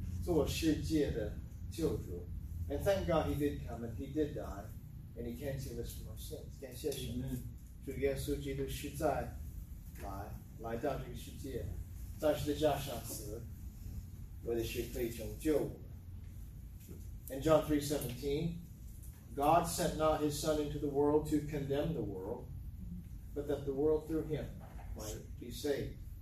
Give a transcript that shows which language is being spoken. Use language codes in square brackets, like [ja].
[zh] 父神差子做世界的救主, [en] and thank God he did come and he did die and he can save us from our sins. [zh] 感谢神，主耶稣基督实在来到这个世界，在十字架上死，为的是可以拯救我们。 [en] And John 3:17, God sent not his Son into the world to condemn the world, but that the world through him might be saved.